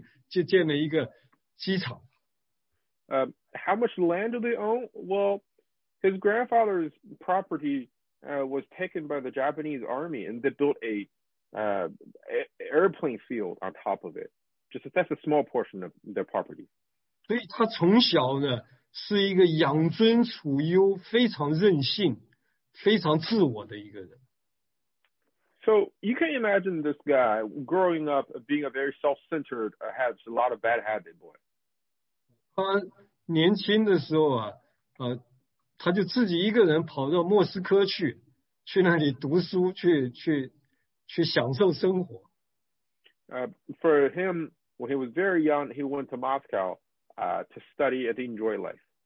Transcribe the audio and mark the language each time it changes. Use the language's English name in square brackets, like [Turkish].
[Chinese] 他们的在东北的地大到一个地步，日本人占领中国的时候，征收他们家的地，建了一个飞机场，只是一小部分一块地，就建了一个机场。 [English] How much land do they own? Well, his grandfather's property was taken by the Japanese army, and they built a airplane field on top of it. Just that's a small portion of their property. [Chinese] 所以他从小呢。是一个养尊处优、非常任性、非常自我的一个人。 [English] So you can imagine this guy growing up being a very self-centered, has a lot of bad habit, boy. [Chinese] 他年轻的时候啊，他就自己一个人跑到莫斯科去，去那里读书，去享受生活。 [English] For him, when he was very young, he went to Moscow to study and enjoy life.